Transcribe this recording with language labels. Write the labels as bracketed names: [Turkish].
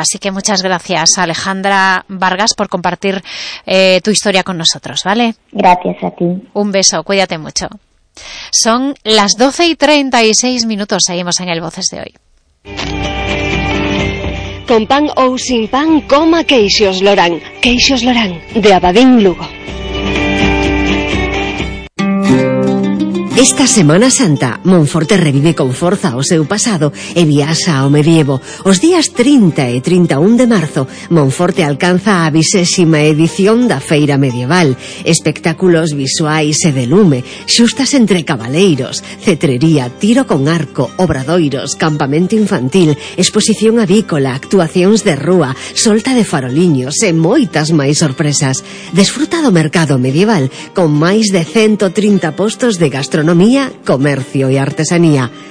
[Spanish] Así que muchas gracias, Alejandra Vargas, por compartir tu historia con nosotros, ¿vale? Gracias a ti. Un beso, cuídate mucho. Son las 12:36, seguimos en el Voces de Hoy. Con pan o sin pan, coma Queixos Lorán. Queixos Lorán, de Abadín, Lugo. [Galician] Esta Semana Santa, Monforte revive con forza o seu pasado e viaxa ao medievo. Os días 30 e 31 de marzo, Monforte alcanza a 20ª edición da Feira Medieval. Espectáculos visuais e de lume, xustas entre cabaleiros, cetrería, tiro con arco, obradoiros, campamento infantil, exposición avícola, actuacións de rúa, solta de faroliños e moitas máis sorpresas. Desfruta do mercado medieval con máis de 130 postos de gastronomía. Economía, comercio e artesanía.